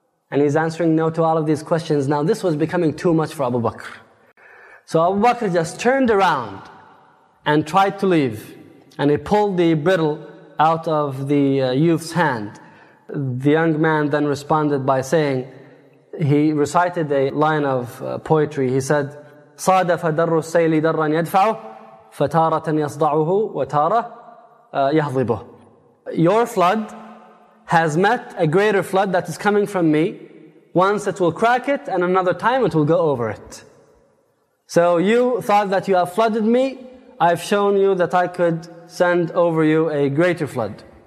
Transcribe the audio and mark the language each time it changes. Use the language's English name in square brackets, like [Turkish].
[English] And he's answering no to all of these questions. Now this was becoming too much for Abu Bakr. So Abu Bakr just turned around and tried to leave. And he pulled the bridle out of the youth's hand. The young man then responded by saying, he recited a line of poetry. He said, [Arabic] صَادَفَ دَرُّ السَّيْلِ دَرًّا يَدْفَعُ فَتَارَةً يَصْدَعُهُ وَتَارَ يَهْضِبُهُ. [English] Your flood has met a greater flood that is coming from me. Once it will crack it, and another time it will go over it. So you thought that you have flooded me. I've shown you that I could send over you a greater flood.